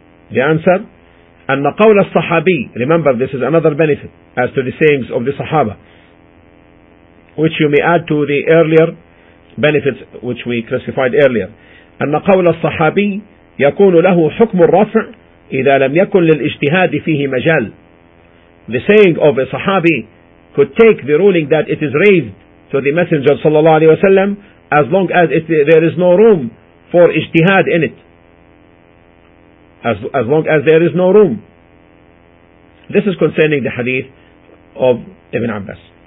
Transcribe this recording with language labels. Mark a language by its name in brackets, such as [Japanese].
[English] The answer, [Arabic] أن قول الصحابي, [English] remember this is another benefit as to the sayings of the Sahaba, which you may add to the earlier benefits which we classified earlier. [Arabic] أن قول الصحابي يكون له حكم الرفع إذا لم يكن للاجتهاد فيه مجال. [English] The saying of a Sahabi could take the ruling that it is raised to the Messenger صلى الله عليه وسلم as long as there is no room for اجتهاد in it. As long as there is no room. This is concerning the hadith of Ibn Abbas.